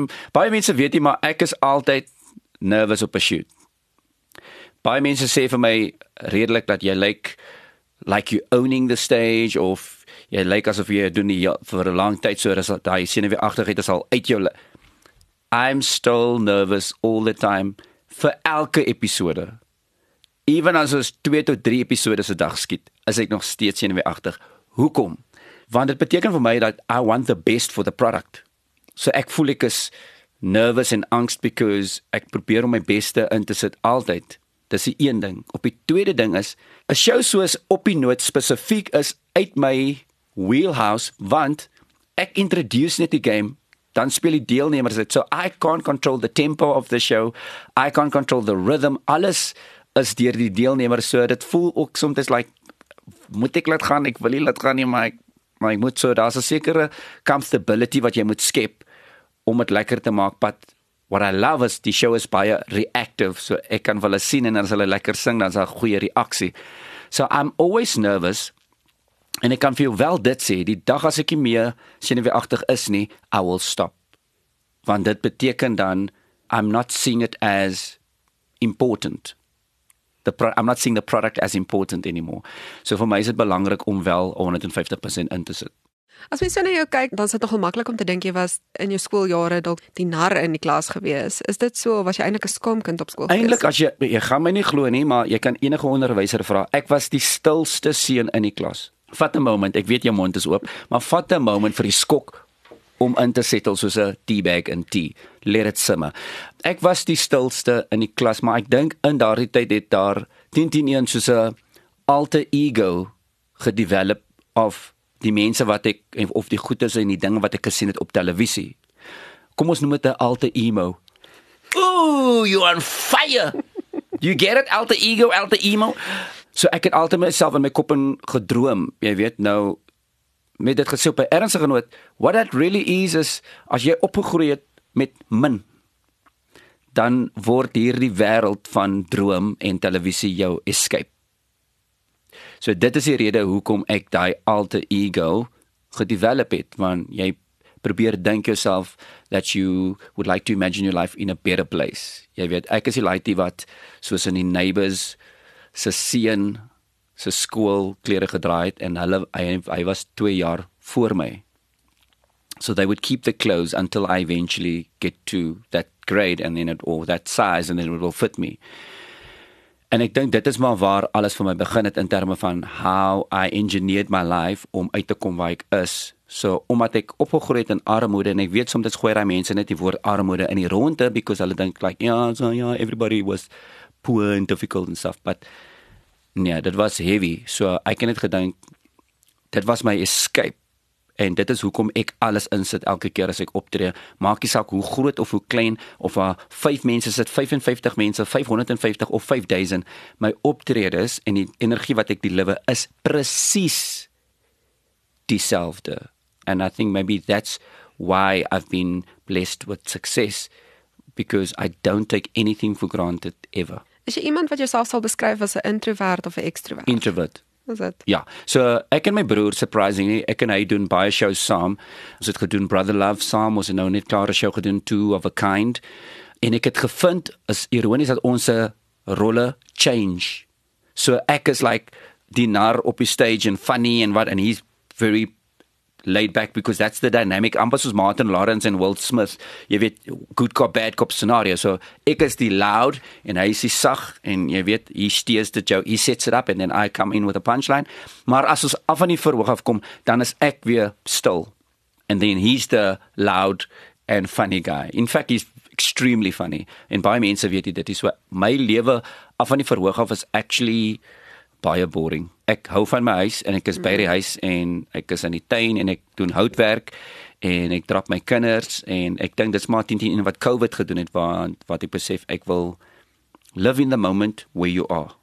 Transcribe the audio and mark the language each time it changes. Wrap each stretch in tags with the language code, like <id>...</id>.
<af>Baie mense weet nie, maar ek is altyd nervous op 'n shoot. Baie mense sê vir my redelik dat jy lyk</af> <en>like you owning the stage</en> <af>of jy lyk asof jy doen nie vir 'n lang tyd so dat daai senuweeagtigheid is al uit jou.</af> <en>I'm still nervous all the time</en> <af>vir elke episode. Even as ons 2 tot 3 episodes 'n dag skiet, is ek nog steeds senuweeagtig. Hoekom? Want dit beteken vir my dat</af> <en>I want the best for the product.</en> <af>So ek voel ek is nervous en angst because ek probeer om my beste in te sit altyd. Dis die een ding. Op die tweede ding is, 'n show soos Op die Noot spesifiek is uit my wheelhouse, want ek introduce net die game, dan speel die deelnemers dit.</af> <en>So I can't control the tempo of the show. I can't control the rhythm.</en> <af>Alles is deur die deelnemers. So dit voel ook soms like, moet ek laat gaan? Ek wil nie laat gaan nie, maar ek moet. So daar's 'n sekere comfortability wat jy moet skep om dit lekker te maak.</af> <en>But what I love is,</en> <af>die show is baie reactive. So ek kan hulle sien en as hulle lekker sing, dan is daar 'n goeie reaksie.</af> <en>So I'm always nervous.</en> <af>En ek kan vir jou wel dit sê, die dag as ek nie meer senuweeagtig is nie,</af> <en>I will stop.</en> <af>Want dit beteken dan,</af> <en>I'm not seeing it as important. I'm not seeing the product as important anymore.</en> <af>So vir my is dit belangrik om wel 150% in te sit. As mens so na jou kyk, dan is dit nogal maklik om te dink jy was in jou skooljare dalk die nar in die klas gewees. Is dit so of was jy eintlik 'n skoomkind op skool? Eintlik as jy gaan my nie glo nie, maar jy kan enige onderwyser vra. Ek was die stilste seun in die klas. Vat 'n moment, ek weet jou mond is oop, maar vat 'n moment vir die skok om in te settel soos 'n teabag in tea.</af> <en>Let it simmer.</en> <af>Ek was die stilste in die klas, maar ek dink in daardie tyd het daar 10-10-1 soos 'n alter ego gedevelop of die mense wat ek, of die goedes en die dinge wat ek gesien het op televisie. Kom ons noem dit 'n alter emo.</af> <en>Ooh, you're on fire! You get it?</en> <af>Alter ego, alter emo? So ek het altyd myself in my kop in gedroom, jy weet nou, met dit gesê op 'n ernstige noot,</af> <en>what that really is</en> <af>as jy opgegroei het met min, dan word hierdie wêreld van droom en televisie jou escape. So dit is die rede hoekom ek daai alter ego gedevelop het, want jy probeer dink jouself</af> <en>that you would like to imagine your life in a better place.</en> <af>Jy weet, ek is die laaitie wat soos in die Neighbours se seun se skool klere gedra het en hulle hy was 2 jaar voor my.</af> <en>So they would keep the clothes until I eventually get to that grade and then it or that size and then it will fit me.</en> <af>En ek dink dit is maar waar alles vir my begin het in terme van</af> <en>how I engineered my life</en> <af>om uit te kom waar ek is. So omdat ek opgegroei het in armoede en ek weet soms dit gooi daai mense net die woord armoede in die ronde because hulle dink like ja, so ja,</af> <en>everybody was poor and difficult and stuff, but</en> <af>nee, dit was heavy. So ek het gedink dit was my escape en dit is hoekom ek alles insit elke keer as ek optree. Maak nie saak hoe groot of hoe klein of waar 5 mense sit, 55 mense, 550 of 5000, my optredes en die energie wat ek deliver is presies dieselfde.</af> <en>And I think maybe that's why I've been blessed with success because I don't take anything for granted ever.</en> <af>Is jy iemand wat jouself sal beskryf as 'n introvert of 'n extrovert? Introvert. Is dit? Ja. So ek en my broer, surprisingly, ek en hy doen baie shows saam. Ons het gedoen Brother Love saam, ons het nou net klaar 'n show gedoen Two of a Kind. En ek het gevind, is ironies dat ons rolle change. So ek is like die nar op die stage en funny en wat en</af> <en>he's very laid back because that's the dynamic. Ambas was Martin Lawrence and Will Smith.</en> <af>Jy weet,</af> <en>good cop, bad cop scenario.</en> <af>So, ek is die loud en hy is die sag en jy weet,</af> <en>he steers the joke. He sets it up and then I come in with a punchline.</en> <af>Maar as ons af van die verhoog afkom, dan is ek weer stil.</af> <en>And then he's the loud and funny guy. In fact, he's extremely funny.</en> <af>En baie mense weet dit. Dit is wat my lewe af van die verhoog af is actually baie boring. Ek hou van my huis en ek is by die huis en ek is in die tuin en ek doen houtwerk en ek trap my kinders en ek dink dis maar 10-10-1 wat COVID gedoen het wat ek besef ek wil</af> <en>live in the moment where you are.</en>